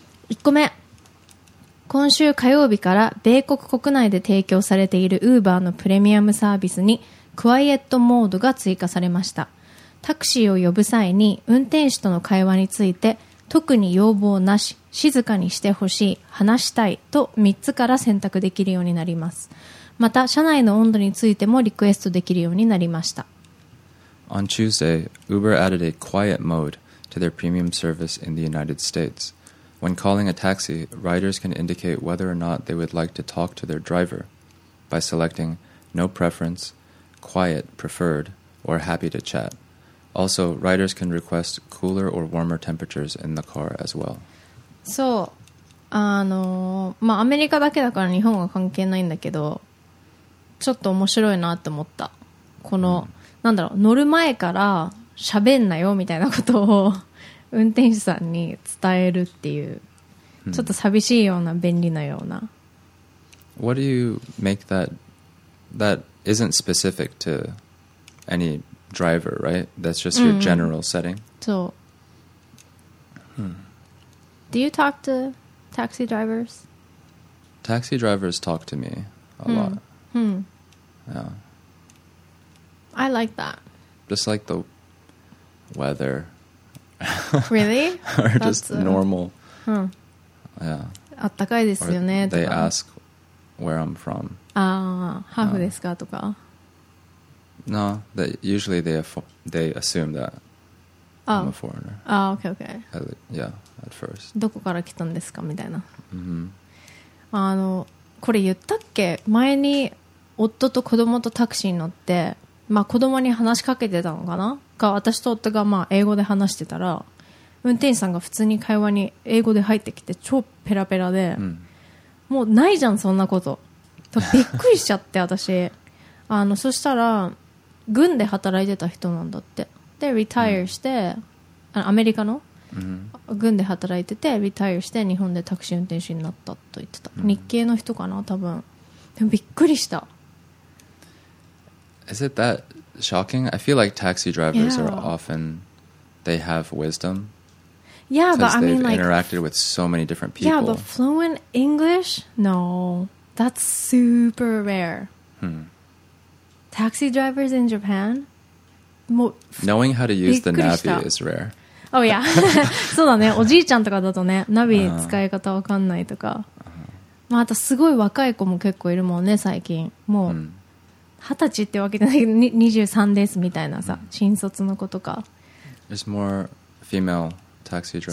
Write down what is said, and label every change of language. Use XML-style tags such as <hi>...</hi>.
<ja>1個目、今週火曜日から米国国内で提供されている Uber のプレミアムサービスにクワイエットモードが追加されました。タクシーを呼ぶ際に運転手との会話について、特に要望なし、静かにしてほしい、話したいと3つから選択できるようになります。また車内の温度についてもリクエストできるようになりました。</ja> <en>On Tuesday, Uber added a quiet mode to their premium service in the United States. When calling a taxi, riders can indicate whether or not they would like to talk to their driver by selecting no preference, quiet preferred, or happy to chat. Also, riders can request cooler or warmer temperatures in the car as well.</en> <ja>そう、まあアメリカだけだから日本は関係ないんだけど、ちょっと面白いなって思った。この、なんだろう、乗る前から喋んなよみたいなことを運転手さんに伝えるっていう、ちょっと寂しいような便利なような。</ja> <en>What do you make that isn't specific to any driver, right? That's just your general setting. So, do you talk to taxi drivers? Taxi drivers talk to me a lot. Yeah. I like that. Just like the weather. Really? Or just normal.</en> <ja>あったかいですよね。</ja> <en>They ask where I'm from.</en> <ja>ハーフですかとか。</ja> <en>No, usually they assume that I'm a foreigner. At first.</en> <ja>どこから来たんですかみたいな。 Mm-hmm. これ言ったっけ？前に夫と子供とタクシーに乗って、まあ子供に話しかけてたのかな。私と夫がまあ英語で話してたら、運転手さんが普通に会話に英語で入ってきて超ペラペラで、もうないじゃんそんなこ とびっくりしちゃって。私そしたら軍で働いてた人なんだって。でリタイアしてアメリカの軍で働いててリタイアして日本でタクシー運転手になったと言ってた。日系の人かな多分。でもびっくりした。</ja> <en>Is it thatShocking. I feel like taxi drivers are often, they have wisdom. Yeah, but I mean, like, interacted with so many different people. Yeah, but fluent English? No, that's super rare. Taxi drivers in Japan? Knowing how to use the navi is rare. Oh yeah,</en> <ja>そうだね。おじいちゃんとかだとね、ナビ使い方わかんないとか。まあ、あとすごい若い子も結構いるもんね、最近。もう。 20歳ってわけじゃないけど、23ですみたいなさ、新卒の子とか。</ja> <en>There's more female taxi drivers.</en>